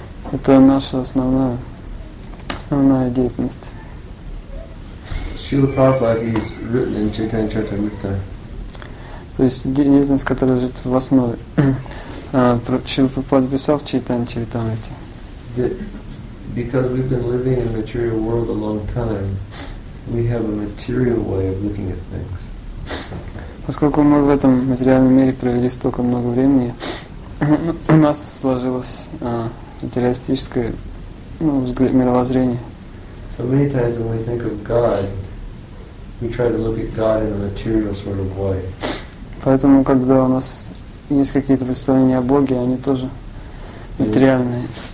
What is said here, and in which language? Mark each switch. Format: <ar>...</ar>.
<ru>Это наша основная деятельность.</ru> <en>Srila Prabhupada is written in Chaitanya Charitamrita.</en> <ru>То есть деятельность, которая лежит в основе. Шрила Прабхупада писал в Чайтанья Чаритамрите.</ru> <en>Because we've been living in a material world a long time, we have a material way of looking at things.</en> <ru>Поскольку мы в этом материальном мире провели столько много времени, у нас сложилось материалистическое мировоззрение.</ru> <en>So many times when we think of God, we try to look at God in a material sort of way.</en> <ru>Поэтому, когда у нас есть какие-то представления о Боге, они тоже материальные.</ru>